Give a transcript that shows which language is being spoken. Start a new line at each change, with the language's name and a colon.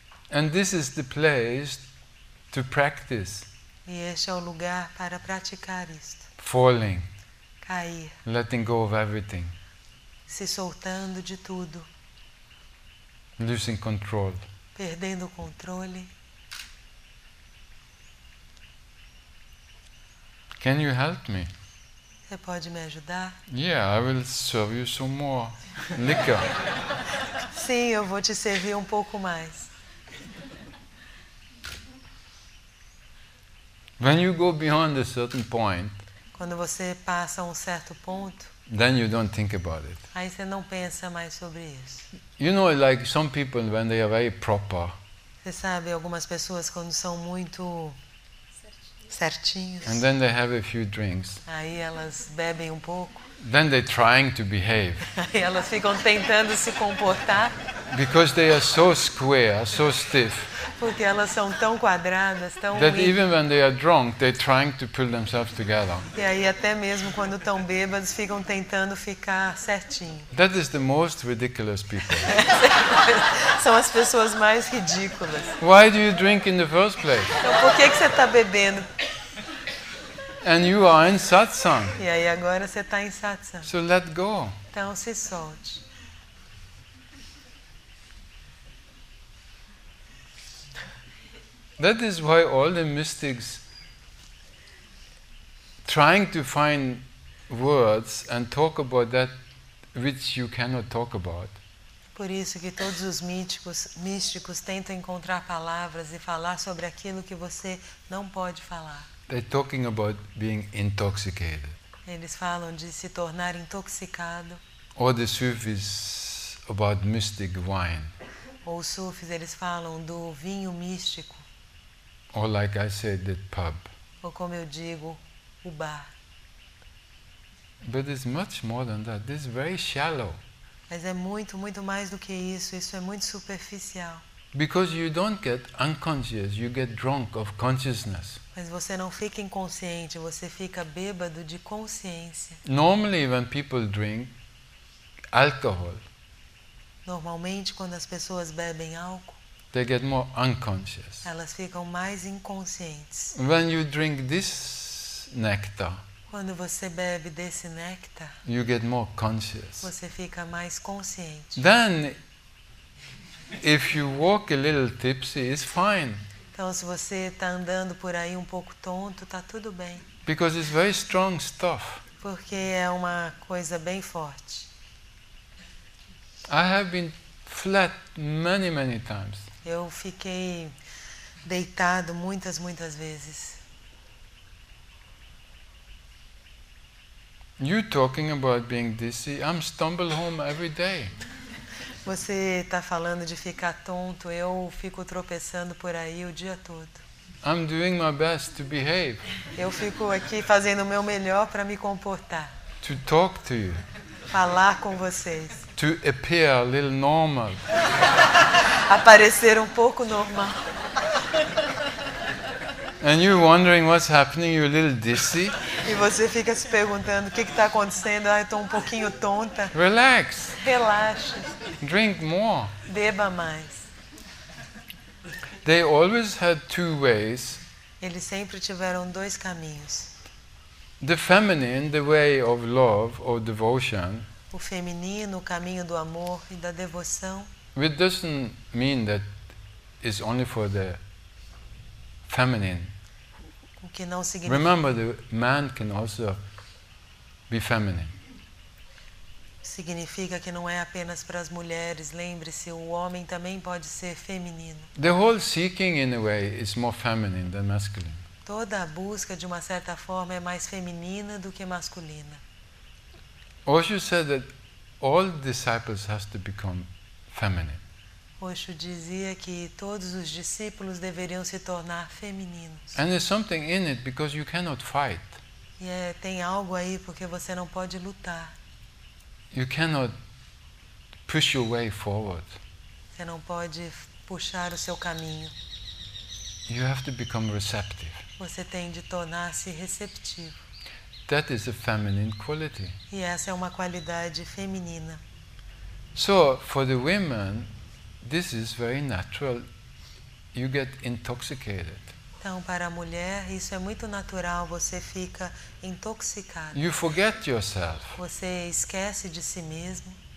English: And this is the place to practice.
Portuguese: E este é o lugar para praticar isto.
English: Falling.
Portuguese: Cair.
English: Letting go of everything.
Portuguese: Se soltando de tudo.
English: Losing control.
Portuguese: Perdendo o controle.
English: Can you help me?
Portuguese: Você pode me ajudar?
English: Yeah, I will serve you some more liquor.
Portuguese: Sim, eu vou te servir um pouco mais.
English: When you go beyond a certain point,
Portuguese: quando você passa um certo ponto,
English: then you don't think about it.
Portuguese: Aí você não pensa mais sobre isso.
English: You know, like some people when they are very proper.
Portuguese: Você sabe algumas pessoas quando são muito certinhos.
English: And then they have a few drinks.
Portuguese: Aí elas bebem um pouco.
English: Then they're trying to behave.
Portuguese: Aí elas ficam tentando se comportar.
English: Because they are so square, so stiff.
Portuguese: Porque elas são tão quadradas, tão.
English: That even when they are drunk, they're trying to pull themselves together.
Portuguese: E aí até mesmo quando estão bêbados, ficam tentando ficar certinho.
English: That is the most ridiculous people.
Portuguese: São as pessoas mais ridículas.
English: Why do you drink in the first place?
Portuguese: Então por que você está bebendo?
English: And you are in satsang.
Portuguese: E aí agora você está em satsang.
English: So let go.
Portuguese: Então se solte.
English: That is why all the mystics trying to find words and talk about that which you cannot talk about.
Portuguese: Por isso que todos os místicos tentam encontrar palavras e falar sobre aquilo que você não pode falar.
English: They're talking about being intoxicated.
Portuguese: Eles falam de se tornar intoxicado.
English: Or the Sufis about mystic wine.
Portuguese: Ou os Sufis, eles falam do vinho místico.
English: Or like I said, the pub.
Portuguese: Ou como eu digo, o bar.
English: But it's much more than that. This is very shallow.
Portuguese: Mas é muito, muito mais do que isso. Isso é muito superficial.
English: Because you don't get unconscious, you get drunk of consciousness.
Portuguese: Mas você não fica inconsciente, você fica bêbado de consciência.
English: Normally, when people drink alcohol,
Portuguese: normalmente quando as pessoas bebem álcool,
English: they get more unconscious.
Portuguese: Elas ficam mais inconscientes.
English: When you drink this nectar,
Portuguese: quando você bebe desse néctar,
English: you get more conscious.
Portuguese: Você fica mais consciente.
English: Then, if you walk a little tipsy, it's fine.
Portuguese: Então, se você está andando por aí um pouco tonto, está tudo bem.
English: Because it's very strong stuff.
Portuguese: Porque é uma coisa bem forte.
English: I have been flat many, many times.
Portuguese: Eu fiquei deitado muitas, muitas vezes.
English: You talking about being dizzy? I'm stumble home every day.
Portuguese: Você está falando de ficar tonto? Eu fico tropeçando por aí o dia todo.
English: I'm doing my best to behave.
Portuguese: Eu fico aqui fazendo o meu melhor para me comportar.
English: To talk to you.
Portuguese: Falar com vocês.
English: To appear a little normal.
Portuguese: Aparecer um pouco normal.
English: And you wondering what's happening? You're a little dizzy.
Portuguese: E você fica se perguntando o que está acontecendo? Ah, estou um pouquinho tonta.
English: Relax.
Portuguese: Relaxe.
English: Drink more.
Portuguese: Beba mais.
English: They always had two ways.
Portuguese: Eles sempre tiveram dois caminhos.
English: The feminine, the way of love or devotion.
Portuguese: O feminino, o caminho do amor e da devoção.
English: It doesn't mean that it's only for the feminine.
Portuguese: Que não significa...
English: Remember, the man can also be feminine.
Portuguese: Significa que não é apenas para as mulheres. Lembre-se, o homem também pode ser feminino.
English: The whole seeking, in a way, is more feminine than masculine.
Portuguese: Toda a busca, de uma certa forma, é mais feminina do que masculina.
English: Osho said that all disciples have to become feminine.
Portuguese: Osho dizia que todos os discípulos deveriam se tornar femininos.
English: And there's something in it because you cannot fight.
Portuguese: E tem algo aí porque você não pode lutar.
English: You cannot push your way forward.
Portuguese: Você não pode puxar o seu caminho.
English: You have to become receptive.
Portuguese: Você tem de tornar-se receptivo.
English: That is a feminine quality.
Portuguese: E essa é uma qualidade feminina.
English: So, for the women, this is very natural. You get intoxicated.
Portuguese: Então, para a mulher, isso é muito natural. Você fica intoxicado.
English: You forget yourself.
Portuguese: Você esquece de si mesmo.